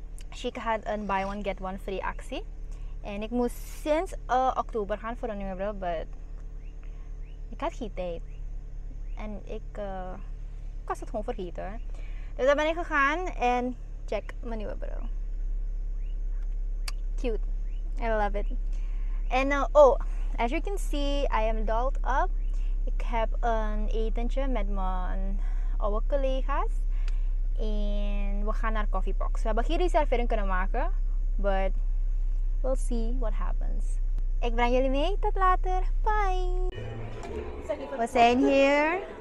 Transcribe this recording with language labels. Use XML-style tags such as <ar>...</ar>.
<nl>Chic had een buy one get one free actie. En ik moest sinds oktober gaan voor een nieuwe bril, but ik had geen tijd. En ik was het gewoon vergeten. Dus daar ben ik gegaan en check mijn nieuwe bril.</nl> <en>Cute. I love it. En as you can see, I am dolled up.</en> <nl>Ik heb een etentje met mijn oude collega's en we gaan naar Coffeebox. We hebben geen reservering kunnen maken,</nl> <en>but we'll see what happens.</en> <nl>Ik breng jullie mee, tot later. Bye! We zijn hier.</nl>